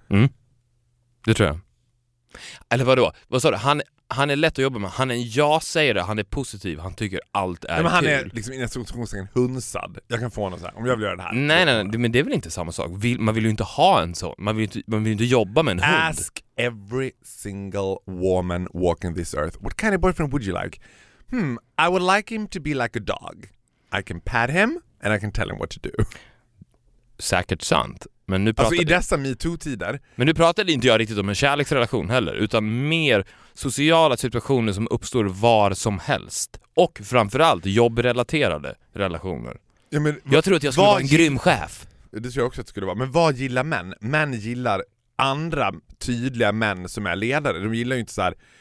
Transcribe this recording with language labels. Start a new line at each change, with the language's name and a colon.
Swedish: Mm. Det tror jag. Eller vadå? Vad sa du? Han är lätt att jobba med. Han är jag säger det, han är positiv. Han tycker allt är nej, men kul. Han är liksom en situationstecken hunsad. Jag kan få honom så här, om jag vill göra det här. Nej, nej, nej, men det är väl inte samma sak. Man vill ju inte ha en sån. Man vill inte jobba med en hund.
English: Ask every single woman walking this earth, what kind of boyfriend would you like? I would like him to be like a dog. I can pat him and I can tell him what to do.
Swedish: Säkert sant. Men nu pratar alltså i dessa MeToo-tider. Men nu pratade inte jag riktigt om en kärleksrelation heller. Utan mer sociala situationer som uppstår var som helst. Och framförallt jobbrelaterade relationer. Ja, men, jag tror att jag skulle vara en grym chef. Det tror jag också att det skulle vara. Men vad gillar män? Män gillar andra tydliga män som är ledare. De gillar ju inte så här.